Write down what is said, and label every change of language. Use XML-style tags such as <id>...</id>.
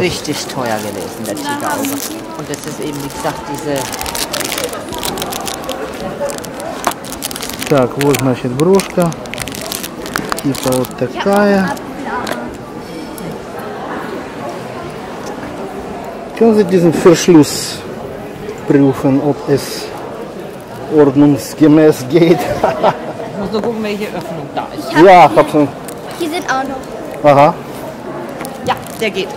<de>Richtig teuer gewesen, der Tigerauge. Und das ist eben, wie gesagt, diese...</de> <ru>Так, вот, значит, брошка, типа вот такая. Что за этот</ru> <de>Verschluss prüfen, ob es ordnungsgemäß geht? Muss nur gucken, welche Öffnung da ist. Ja, ich hab's schon. Hier sind auch noch. Aha. Ja, der geht.</de>